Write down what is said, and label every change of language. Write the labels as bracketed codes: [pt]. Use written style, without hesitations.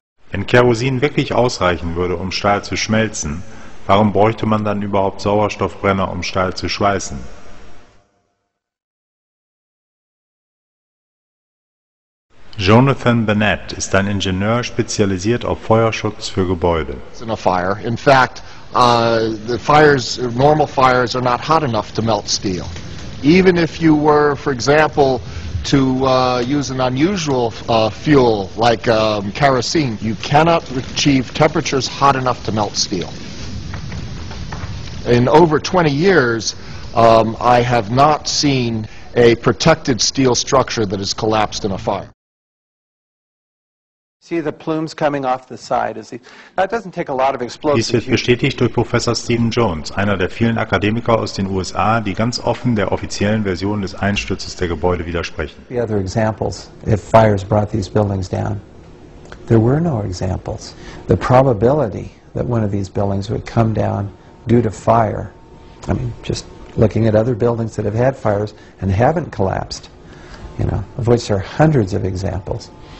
[de] Wenn Kerosin wirklich ausreichen würde, um Stahl zu schmelzen, warum bräuchte man dann überhaupt Sauerstoffbrenner, um Stahl zu schweißen? Jonathan Bennett ist ein Ingenieur spezialisiert auf Feuerschutz für Gebäude. [en] In a fire. In fact, the fires, normal fires are not hot enough to melt steel. Even if you were, for example, to use an unusual fuel like kerosene, you cannot achieve temperatures hot enough to melt steel. In over 20 years, I have not seen a protected steel structure that has collapsed in a fire. See the plumes coming off the side. That doesn't take a lot of explosion. [de] Dies wird bestätigt durch Professor Stephen Jones, einer der vielen Akademiker aus den USA, die ganz offen der offiziellen Version des Einstürzes der Gebäude widersprechen. [en] The other examples, if fires brought these buildings down, there were no examples. The probability that one of these buildings would come down due to fire, I mean, just looking at other buildings that have had fires and haven't collapsed, you know, of which there are hundreds of examples.